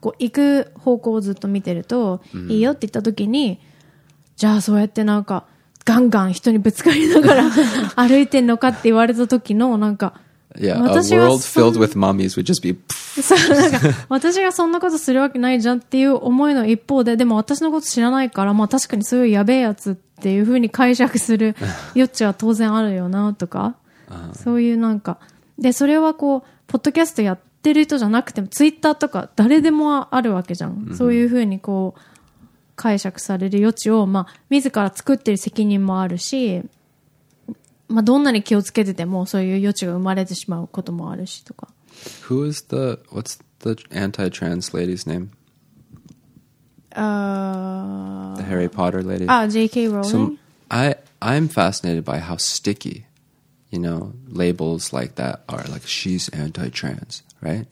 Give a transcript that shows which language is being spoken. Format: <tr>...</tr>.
<ja>こう行く方向をずっと見てると、いいよって言った時に、じゃあそうやってなんか、ガンガン人にぶつかりながら歩いてんのかって言われた時の、なんか、</ja> <en>Yeah, a world filled with mummies would just be...</en> <ja>そう、なんか、私がそんなことするわけないじゃんっていう思いの一方で、でも私のこと知らないから、まあ確かにそういうやべえやつって、っていう風に解釈する余地は当然あるよなとか、そういうなんかで、それはこうポッドキャストやってる人じゃなくてもツイッターとか誰でもあるわけじゃん、そういう風にこう解釈される余地を、まあ自ら作ってる責任もあるし、まあ、どんなに気をつけててもそういう余地が生まれてしまうこともあるしとか。</ja> <en>Who is the what's the anti-trans lady's name? The Harry Potter lady. Ah, J.K. Rowling. So I'm fascinated by how sticky, you know, labels like that are. Like she's anti-trans, right?</en>